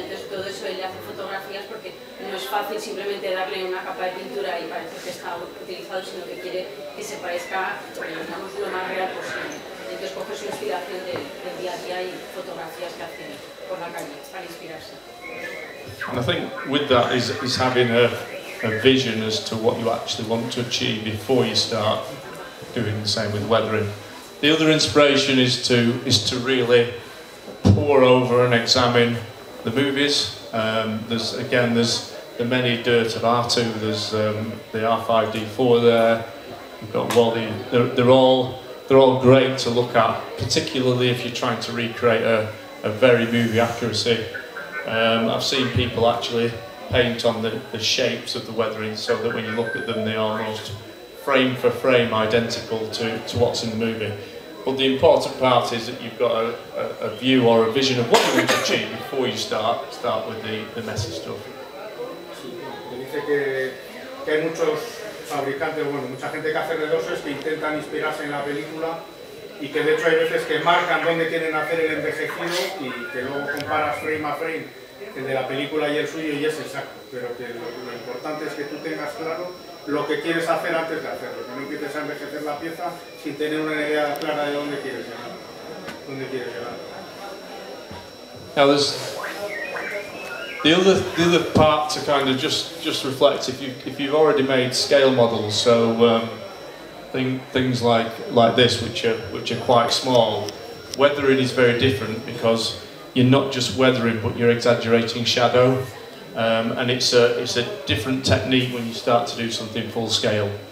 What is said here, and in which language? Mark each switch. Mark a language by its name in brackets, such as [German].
[Spanish] Entonces todo eso él hace fotografías porque no es fácil simplemente darle una capa de pintura y parece que está utilizado, sino que quiere que se parezca, digamos, lo más real posible. Entonces coge su inspiración del día a día y fotografías que hace por la calle para inspirarse. [English] And I think with that is having a vision as to what you actually want to achieve before you start doing the same with weathering. The other inspiration is to really pour over and examine the movies. There's the many dirt of R2, there's the R5D4 there, you've got Wally. They're all great to look at, particularly if you're trying to recreate a very movie accuracy. I've seen people actually paint on the shapes of the weathering so that when you look at them they are almost frame for frame identical to what's in the movie. But the important part is that you've got a view or a vision of what you want to achieve before you start with the messy stuff. [Spanish] Dice que hay muchos fabricantes, bueno, mucha gente que hace redoses que intentan inspirarse en la película y que de hecho hay veces que marcan dónde quieren hacer el envejecido y que luego comparas frame a frame el de la película y el suyo y es exacto. Pero que lo importante es que tú tengas claro lo que quieres hacer antes de hacerlo, que no empieces a envejecer la pieza sin tener una idea clara de dónde quieres llegar. [English] Now there's the other part to kind of just reflect if you've already made scale models, so things like this which are quite small, weathering is very different because you're not just weathering, but you're exaggerating shadow, and it's a different technique when you start to do something full scale.